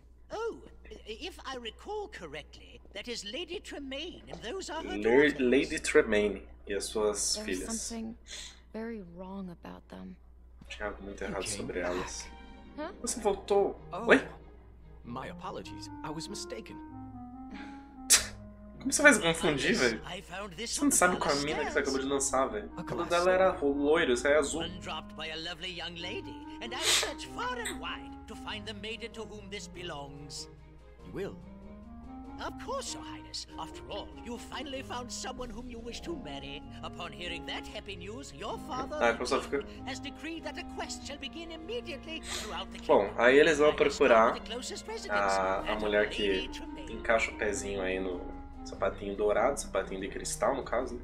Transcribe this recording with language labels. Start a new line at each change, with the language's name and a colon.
English: Oh, if I recall correctly, that is Lady Tremaine, and those are her
Portuguese: Lady Tremaine e as suas
English: There's
Portuguese: filhas.
English: Something very wrong about them.
Portuguese: Tinha algo muito errado sobre elas. Huh? Você voltou? Oh, oi?
English: My apologies. I was mistaken.
Portuguese: Como você vai se confundir, velho? Você não sabe qual a mina que você acabou de dançar, velho. O cabelo dela era loiro, isso aí é azul.
English: Dropped by a lovely young lady, and I search far and wide to find the maiden to whom this belongs. You will? Of course, your highness. After all, you finally found someone whom you wish to marry. Upon hearing that happy news, your father has decreed that a quest shall begin immediately throughout the kingdom.
Portuguese: Bom, aí eles vão procurar a mulher que encaixa o pezinho aí no sapatinho dourado, sapatinho de cristal, no caso.